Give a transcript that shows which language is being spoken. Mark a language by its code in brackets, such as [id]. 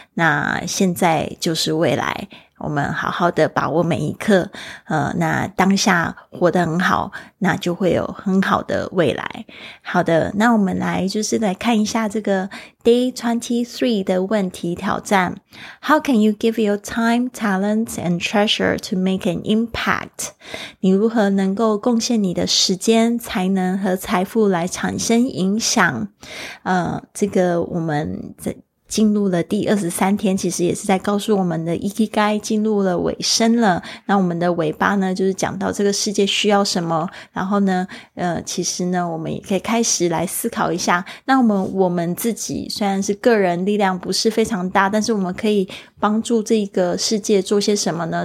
[zh] 那现在就是未来，我们好好的把握每一刻，那当下活得很好，那就会有很好的未来。好的，那我们来就是来看一下这个 Day 23的问题挑战。 [en] How can you give your time, talents, and treasure to make an impact? [zh] 你如何能够贡献你的时间、才能和财富来产生影响？这个我们在进入了第23天，其实也是在告诉我们的 Ikigai 进入了尾声了。那我们的尾巴呢，就是讲到这个世界需要什么，然后呢其实呢我们也可以开始来思考一下，那我们自己虽然是个人力量不是非常大，但是我们可以帮助这个世界做些什么呢？